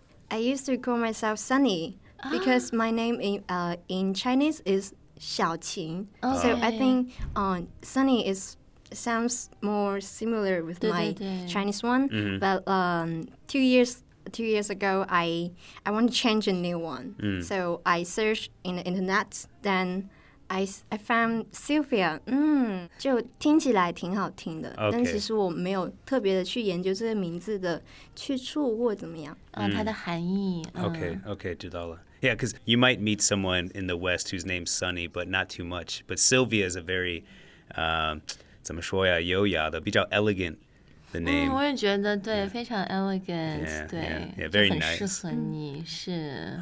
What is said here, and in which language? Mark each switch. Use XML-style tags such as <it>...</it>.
<en>I used to call myself Sunny because my name in Chinese is 小晴 So I think Sunny sounds more similar with</en> <zh>对对对</zh> <en>my Chinese one. Mm-hmm. But two years ago, I want to change a new one. Mm. So I searched in the internet, then I found Sylvia.</en> <zh>就听起来挺好听的、 okay. 但其实我没有特别的去研究这个名字的去处或怎么样、它的含义、</zh> <en>Okay,</en> <zh>知道了</zh> <en>Yeah, because you might meet someone in the West whose name's Sunny, but not too much. But Sylvia is a very,</en> <zh>怎么说呀，优雅的，比较</zh> <en>elegant the name.</en> <zh>我也觉得对，非常 elegant. Yeah, 对</zh> <en>yeah, very nice.</en> <zh>很适合你，是。</zh>